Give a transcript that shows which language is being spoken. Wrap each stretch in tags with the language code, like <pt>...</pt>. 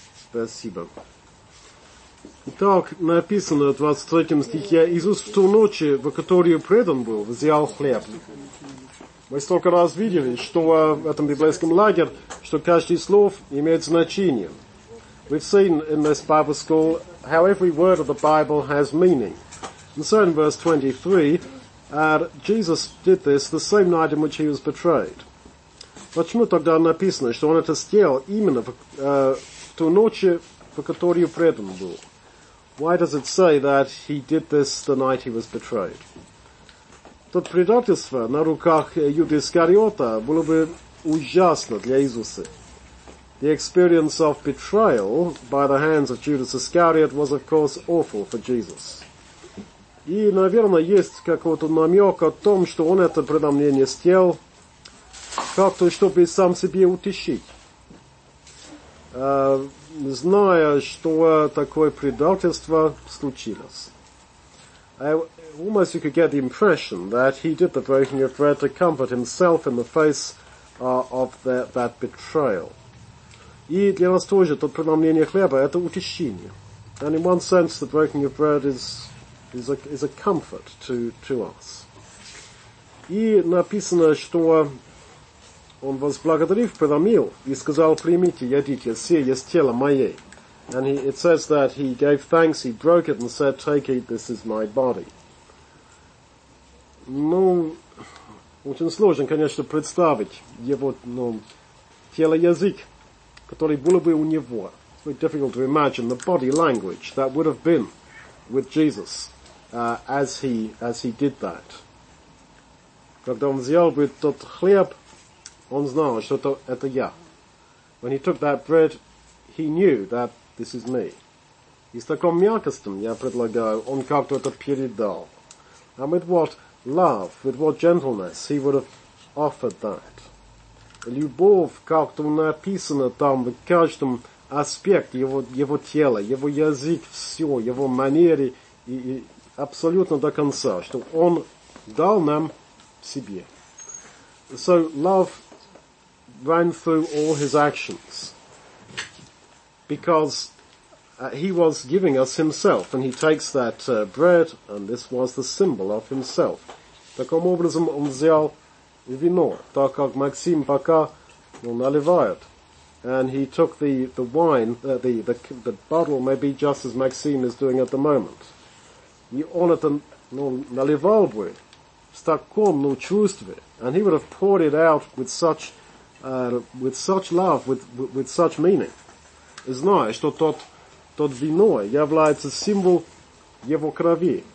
<ru>Спасибо. Итак, написано в 23 стихе, Иисус в ту ночь, в которую предан был, взял хлеб. Мы столько раз видели, что в этом библейском лагере, что каждый слов имеет значение.</ru> <en>We've seen in this Bible school how every word of the Bible has meaning. And so in verse 23, Jesus did this the same night in which he was betrayed.</en> <ru>Почему тогда написано, что он это сделал именно в ту ночь, в которую предан был?</ru> <en>Why does it say that he did this the night he was betrayed?</en> <ru>Тот предательство на руках Юды Искариота было бы ужасно для Иисуса.</ru> <en>The experience of betrayal by the hands of Judas Iscariot was, of course, awful for Jesus.</en> <ru>И, наверное, есть какой-то намек о том, что он это преломление сделал, как-то, чтобы сам себе утешить, зная, что такое предательство случилось.</ru> <en>Almost you could get the impression that he did the breaking of bread to comfort himself in the face of that betrayal.</en> <ru>И для нас тоже то преломление хлеба – это утешение.</ru> <en>And in one sense, the breaking of bread is a comfort to us.</en> <ru>И написано, что он возблагодарив преломил и сказал, примите, едите, все есть тело мое.</ru> <en>And it says that he gave thanks, he broke it and said, take it, this is my body.</en> <ru>Ну, очень сложно, конечно, представить его, ну, тело-язык, который было бы у него.</ru> <en>It's very difficult to imagine the body language that would have been with Jesus as he did that.</en> <ru>Когда он взял бы тот хлеб, он знал, что это я.</ru> <en>When he took that bread, he knew that this is me.</en> <ru>И с таким мягкостью, я предлагаю, он как-то это передал.</ru> <en>And with what love, with what gentleness, he would have offered that.</en> <ru>Любовь как-то написана там в каждом аспекте его тела, его язык, все, его манеры, и абсолютно до конца, что он дал нам себе.</ru> <en>So love ran through all his actions, because he was giving us himself, and he takes that bread, and this was the symbol of himself.</en> <ru>Таким образом он взял вино, так как Максим пока наливает.</ru> <en>And he took the wine, the bottle, maybe just as Максим is doing at the moment.</en> <ru>И он это наливал бы с таком чувством.</ru> <en>And he would have poured it out with such love, with such meaning.</en> <ru>Зная, что тот вино является символом его крови.</ru>